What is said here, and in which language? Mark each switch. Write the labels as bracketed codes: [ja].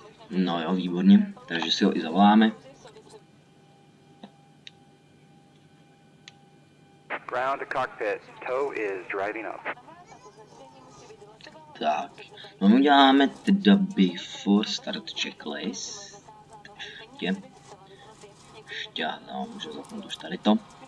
[cs] No jo, výborně, takže si ho i zavoláme. [en] Ground cockpit, tow is driving up. [cs] Tak, no my uděláme teda before start checklist. Ještě. No, můžu zapnout už tady to.